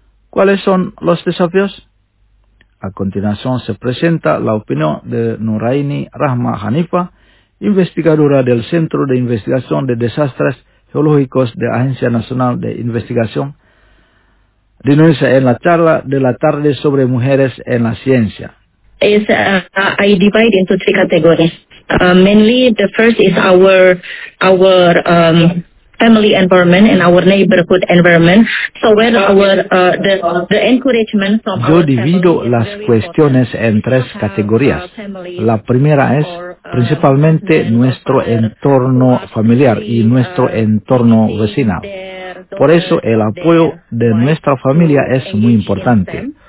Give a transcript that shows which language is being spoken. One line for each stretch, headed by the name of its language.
Spanish: ¿Cuáles son los desafíos? A continuación se presenta la opinión de Nuraini Rahma Hanifa, investigadora del Centro de Investigación de Desastres Geológicos de Agencia Nacional de Investigación, de Indonesia en la charla de la tarde sobre mujeres en la ciencia.
English: I divide into three categories. Mainly the first is our family environment and our neighborhood environment. So where the encouragement from
Spanish: Yo divido las cuestiones en tres categorías. La primera es principalmente nuestro entorno familiar y nuestro entorno vecinal. Por eso el apoyo de nuestra familia es muy importante.